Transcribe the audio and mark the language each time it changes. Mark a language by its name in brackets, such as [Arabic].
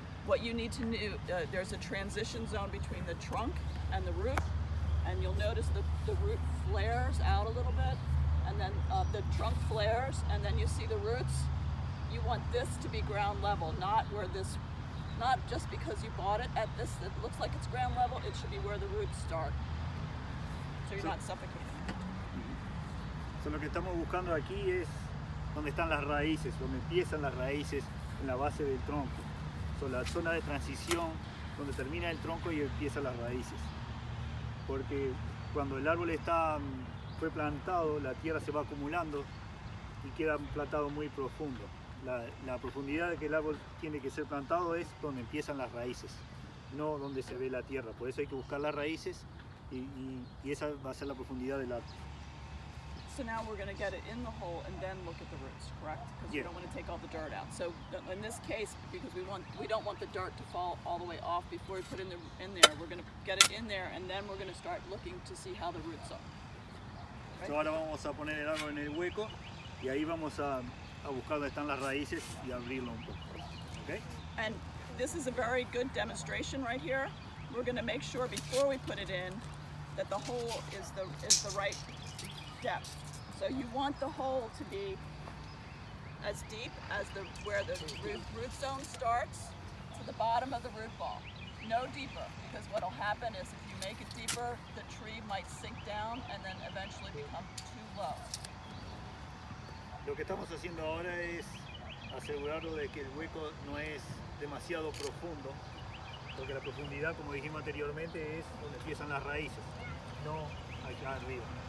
[English] What you need to do, there's a transition zone between the trunk and the root, and you'll notice the root flares out a little bit, and then the trunk flares, and then you see the roots. You want this to be ground level, not where this not just because you bought it at this, it looks like it's ground level, it should be where the roots start. So you're not suffocating. [Spanish] So lo que estamos buscando aquí es donde están las raíces, donde empiezan las raíces en la base del tronco. So la zona de transición donde termina el tronco y empiezan las raíces. Porque cuando el árbol está, fue plantado, la tierra se va acumulando y queda plantado muy profundo. La profundidad que el árbol tiene que ser plantado es donde empiezan las raíces, no donde se ve la tierra. Por eso hay que buscar las raíces y esa va a ser la profundidad del árbol. [English] So now we're going to get it in the hole and then look at the roots, correct? Because yeah. We don't want to take all the dirt out. So in this case, because we don't want the dirt to fall all the way off before we put in there, we're going to get it in there and then we're going to start looking to see how the roots are. Okay? [Spanish] So ahora vamos a poner el árbol en el hueco y ahí vamos a buscar dónde están las raíces y abrirlo un poco. [English] Okay? And this is a very good demonstration right here. We're going to make sure before we put it in that the hole is the right depth. So you want the hole to be as deep as where the root zone starts to the bottom of the root ball. No deeper, because what will happen is if you make it deeper, the tree might sink down and then eventually become too low. [Spanish] Lo que estamos haciendo ahora es asegurarlo de que el hueco no es demasiado profundo, porque la profundidad, como dijimos anteriormente, es donde empiezan las raíces, no allá arriba.